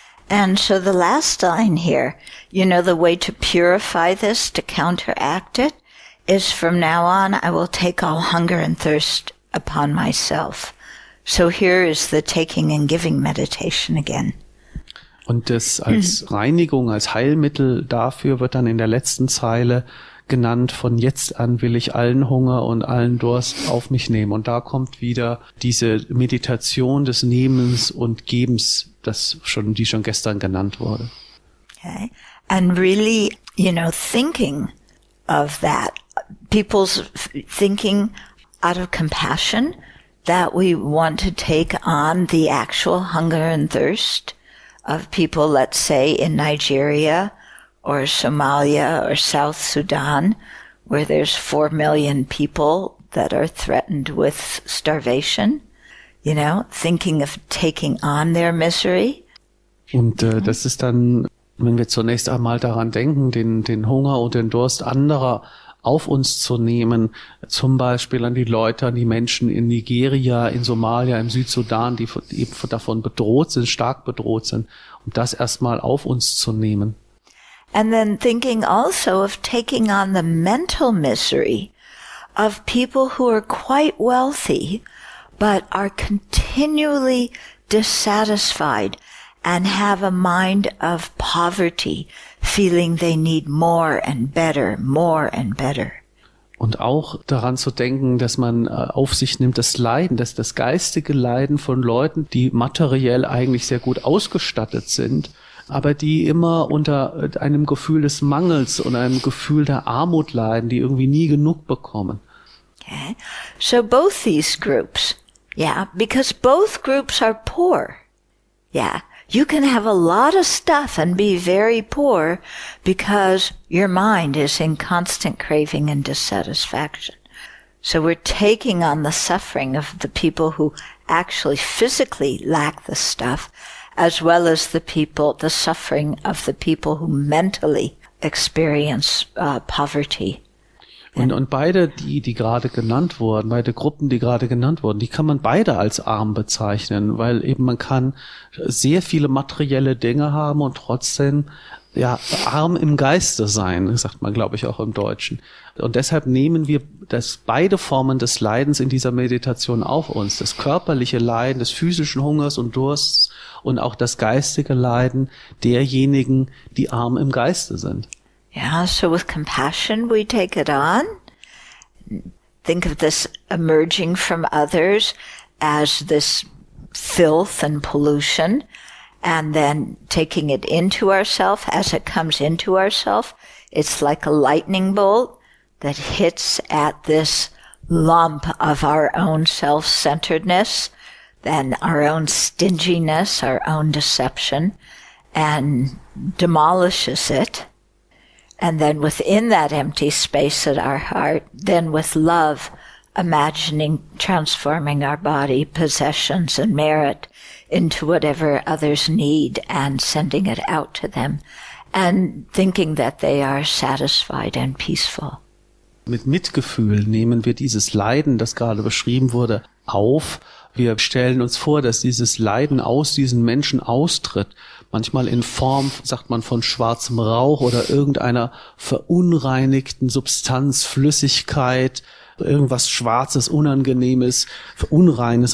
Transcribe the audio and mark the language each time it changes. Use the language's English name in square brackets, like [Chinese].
[English] And so the last line here, you know, the way to purify this, to counteract it, is from now on, I will take all hunger and thirst upon myself. So here is the taking and giving meditation again. [German] Und das als Reinigung, als Heilmittel dafür wird dann in der letzten Zeile genannt, von jetzt an will ich allen Hunger und allen Durst auf mich nehmen. Und da kommt wieder diese Meditation des Nehmens und Gebens, die schon gestern genannt wurde. [English] Okay. And really, you know, thinking of that, people's thinking out of compassion, that we want to take on the actual hunger and thirst of people, let's say, in Nigeria or Somalia or South Sudan, where there's 4 million people that are threatened with starvation. You know, thinking of taking on their misery. [German] Und das ist dann, wenn wir zunächst einmal daran denken, den Hunger und den Durst anderer auf uns zu nehmen, zum Beispiel an die Leute, an die Menschen in Nigeria, in Somalia, im Südsudan, die eben davon bedroht sind, stark bedroht sind, um das erstmal auf uns zu nehmen. [English] And then thinking also of taking on the mental misery of people who are quite wealthy, but are continually dissatisfied and have a mind of poverty, feeling they need more and better, more and better. [German] Und auch daran zu denken, dass man auf sich nimmt das Leiden, das geistige Leiden von Leuten, die materiell eigentlich sehr gut ausgestattet sind, aber die immer unter einem Gefühl des Mangels und einem Gefühl der Armut leiden, die irgendwie nie genug bekommen. [English] Okay. So both these groups. Yeah, because both groups are poor. Yeah, you can have a lot of stuff and be very poor because your mind is in constant craving and dissatisfaction. So we're taking on the suffering of the people who actually physically lack the stuff, as well as the suffering of the people who mentally experience poverty. [German] Und beide, die gerade genannt wurden, beide Gruppen, die gerade genannt wurden, die kann man beide als arm bezeichnen, weil eben man kann sehr viele materielle Dinge haben und trotzdem ja arm im Geiste sein, sagt man, glaube ich, auch im Deutschen. Und deshalb nehmen wir das beide Formen des Leidens in dieser Meditation auf uns, das körperliche Leiden, des physischen Hungers und Dursts und auch das geistige Leiden derjenigen, die arm im Geiste sind. [English] Yeah, so with compassion we take it on. Think of this emerging from others as this filth and pollution, and then taking it into ourself as it comes into ourself. It's like a lightning bolt that hits at this lump of our own self-centeredness, then our own stinginess, our own deception, and demolishes it. And then within that empty space at our heart, then with love, imagining transforming our body, possessions, and merit into whatever others need and sending it out to them and thinking that they are satisfied and peaceful. [German] Mit Mitgefühl nehmen wir dieses Leiden, das gerade beschrieben wurde, auf. Wir stellen uns vor, dass dieses Leiden aus diesen Menschen austritt. Manchmal in Form, sagt man, von schwarzem Rauch oder irgendeiner verunreinigten Substanz, Flüssigkeit, irgendwas Schwarzes, Unangenehmes, Unreines.